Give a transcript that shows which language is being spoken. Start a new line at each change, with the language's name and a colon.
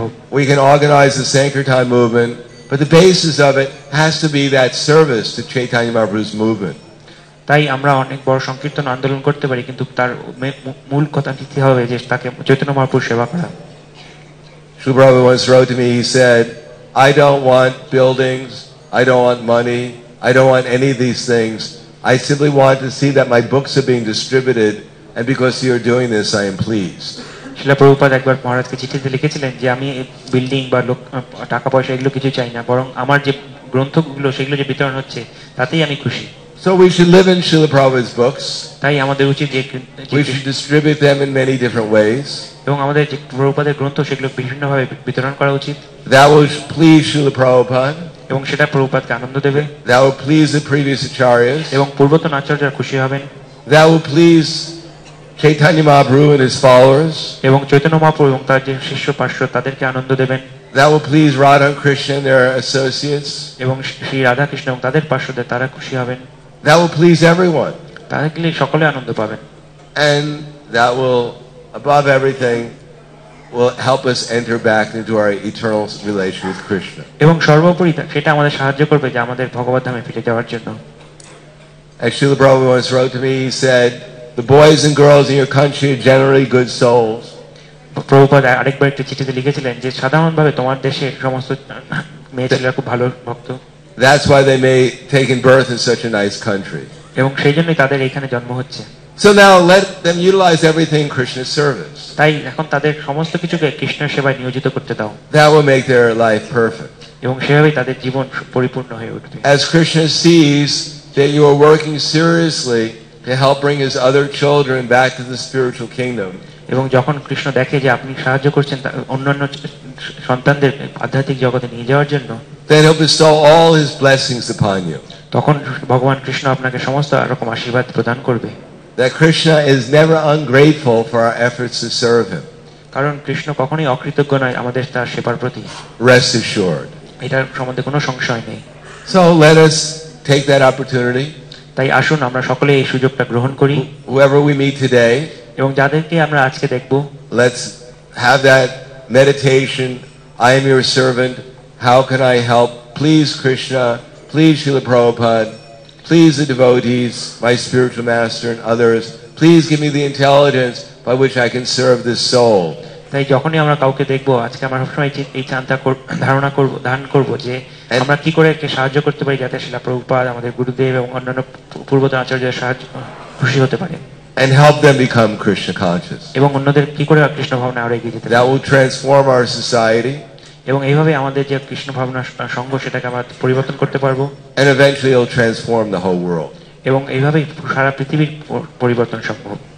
English: We can organize the Sankirtan movement, but the basis of it has to be that service to Chaitanya Mahaprabhu's movement.
Bangla: তাই আমরা অনেক বড় সংকীর্তন আন্দোলন করতে পারি কিন্তু তার মূল কথা নীতি হবে যে তাকে চৈতন্য মহাপুর সেবা করা
English: Subhrabhu once wrote to me, he said, I don't want buildings, I don't want money, I don't want any of these things. I simply want to see that my books are being distributed and because you're doing this, I am pleased.
Bangla: Srila Prabhupada একবার মহারাজকে চিঠিতে লিখেছিলেন যে আমি building বা লোক টাকা পয়সা এগুলো কিছু চাই না বরং আমার যে গ্রন্থগুলো সেগুলো যে বিতরণ হচ্ছে তাতেই আমি খুশি
English: So we should live in Srila Prabhupada's books.
Bangla: তাই আমাদের উচিত যে
English: We should distribute them in many different ways.
Bangla: এবং আমাদের যে প্রভুপাদের গ্রন্থ সেগুলো বিভিন্ন ভাবে বিতরণ করা উচিত.
English: That will please Srila Prabhupada.
Bangla: এবং সেটা প্রভুপাদকে আনন্দ দেবে.
English: That will please the previous acharyas.
Bangla: এবং পূর্বতন আচার্যরা খুশি হবেন.
English: That will please Chaitanya Mahaprabhu and his followers.
Bangla: এবং চৈতন্য মহাপ্রভু এবং তার যে শিষ্য পার্শ্ব তাদেরকে আনন্দ দেবেন.
English: That will please Radha and Krishna and their associates.
Bangla: এবং শ্রী রাধা কৃষ্ণ এবং তাদের পার্শ্বদের তারা খুশি হবেন.
English: That will please everyone.
Bangla: তাহলে সকলে আনন্দ পাবেন.
English: And that will above everything will help us enter back into our eternal relationship with Krishna.
Bangla: এবং সর্বোপরি সেটা আমাদের সাহায্য করবে যে আমাদের ভগবদ্ ধামে ফিরে যাওয়ার জন্য.
English: Actually, Prabhupada once wrote to me, he said, the boys and girls in your country are generally good souls.
Bangla: Prabhupada আরেকবার একটি চিঠিতে লিখেছিলেন যে সাধারণভাবে তোমার দেশে সমস্ত মেয়েছেলেরা খুব ভালো ভক্ত.
English: That's why they may taken birth in such a nice country.
Bangla: এবং সেই জন্যই তাদের এখানে জন্ম হচ্ছে.
English: So now let them utilize everything Krishna's service.
Bangla: তাই এখন তাদের সমস্ত কিছুকে কৃষ্ণের সেবায় নিয়োজিত করতে দাও.
English: That will make their life perfect.
Bangla: এবং সেভাবেই তাদের জীবন পরিপূর্ণ হয়ে উঠবে.
English: As Krishna sees that you are working seriously to help bring his other children back to the spiritual kingdom.
Bangla: এবং যখন কৃষ্ণ দেখে যে আপনি সাহায্য করছেন অন্যান্য সন্তানদের আধ্যাত্মিক জগতে নিয়ে যাওয়ার জন্য
English: Then he'll bestow all his blessings upon you.
Bangla: তখন ভগবান কৃষ্ণ আপনাকে সমস্ত রকম আশীর্বাদ প্রদান করবে.
English: That Krishna is never ungrateful for our efforts to serve him.
Bangla: কারণ কৃষ্ণ কখনোই অকৃতজ্ঞ নয় আমাদের তার সেবার প্রতি.
English: Rest assured.
Bangla: এটার সম্বন্ধে কোনো সংশয় নেই.
English: So let us take that opportunity.
Bangla: তাই আসুন আমরা সকলে এই সুযোগটা গ্রহণ করি.
English: Whoever we meet today.
Bangla: এবং যাদেরকে আমরা আজকে দেখব.
English: Let's have that meditation. I am your servant. How can I help? Please Krishna, please Srila Prabhupada, please the devotees, my spiritual master and others, please give me the intelligence by which I can serve this soul.
Bangla: তাই যখনই আমরা কাউকে দেখব আজকে আমার সবসময় এই চিন্তা ধারণা করব ধারণ করব যে আমরা কি করে একে সাহায্য করতে পারি যাতে শ্রীলা প্রভুপাদ আমাদের গুরুদেব এবং অন্যান্য পূর্বতন আচার্যের সাহায্য খুশি হতে পারে
English: And help them become Krishna conscious.
Bangla: এবং অন্যদের কি করে কৃষ্ণ ভাবনা আরো এগিয়ে যেতে পারে
English: That will transform our society.
Bangla: এবং এইভাবে আমাদের যে কৃষ্ণ ভাবনা সংঘ সেটাকে আমরা পরিবর্তন করতে পারবো
English: And eventually it will transform the whole world.
Bangla: এবং এইভাবে সারা পৃথিবীর পরিবর্তন সম্ভব